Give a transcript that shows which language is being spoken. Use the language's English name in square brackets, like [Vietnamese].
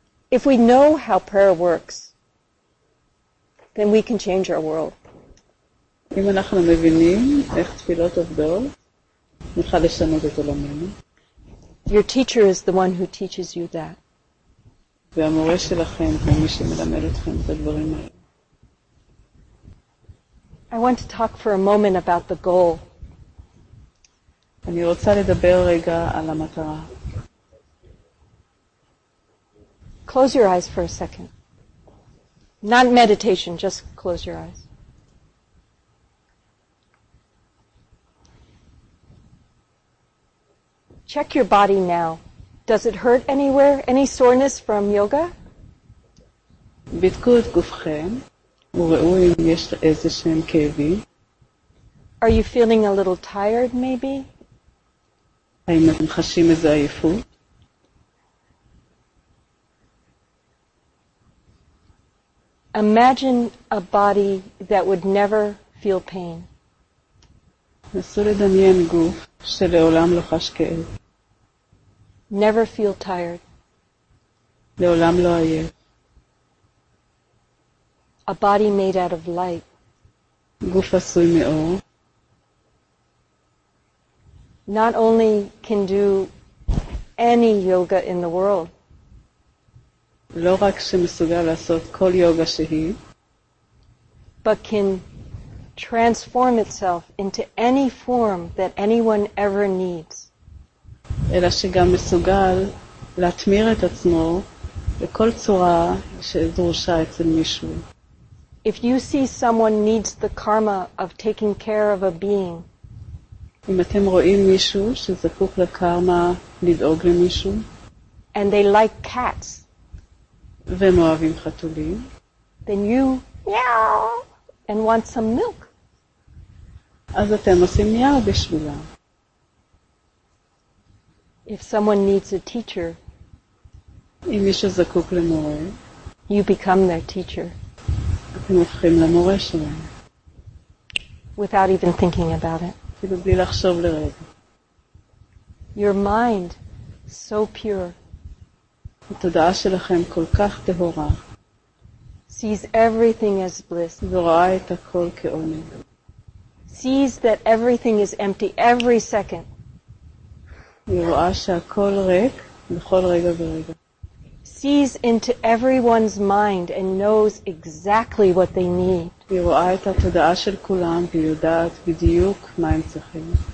[English] If we know how prayer works, then we can change our world. [Hebrew] אם אנחנו מבינים איך תפילות עובדות, נוכל לשנות את עולמנו. [English] Your teacher is the one who teaches you that. [Hebrew] והמורה שלכם הוא מי שמלמד אתכם את הדברים האלה. [English] I want to talk for a moment about the goal. [Hebrew] אני רוצה לדבר רגע על המטרה. [English] Close your eyes for a second. Not meditation, just close your eyes. Check your body now. Does it hurt anywhere? Any soreness from yoga? [Hebrew] בדקו את גופכם וראו אם יש איזה שהם כאבים. [English] Are you feeling a little tired, maybe? [Hebrew] האם אתם חשים איזה עייפות? [English] Imagine a body that would never feel pain. [Hebrew] נסו לדמיין גוף שלעולם לא חש כאב. [English] Never feel tired. [Hebrew] לעולם לא עייף. [English] A body made out of light. [Hebrew] גוף עשוי מאור. [English] Not only can do any yoga in the world. [Hebrew] לא רק שמסוגל לעשות כל יוגה שהיא, [English] but can transform itself into any form that anyone ever needs. [Hebrew] אלא שגם מסוגל להתמיר את עצמו בכל צורה שדרושה אצל מישהו. [English] If you see someone needs the karma of taking care of a being, [Hebrew] אם אתם רואים מישהו שזקוק לקרמה לדאוג למישהו, [English] and they like cats, [Hebrew] והם אוהבים חתולים, [English] then you meow and want some milk. [Hebrew] אז אתם עושים מיאו בשבילה. [English] If someone needs a teacher, [Hebrew] אם מישהו זקוק למורה, [English] you become their teacher. [Hebrew] אתם הופכים למורה שלהם. [English] Without even thinking about it. [Hebrew] אפילו בלי לחשוב לרגע. [English] Your mind, so pure. [Hebrew] התודעה שלכם כל כך טהורה. [English] Sees everything as bliss. [Hebrew] ורואה את הכל כעונג. [English] Sees that everything is empty every second. [Hebrew] רואה שהכל ריק בכל רגע ורגע. [English] Sees into everyone's mind and knows exactly what they need. [Hebrew] היא רואה את התודעה של כולם ויודעת בדיוק מה הם צריכים.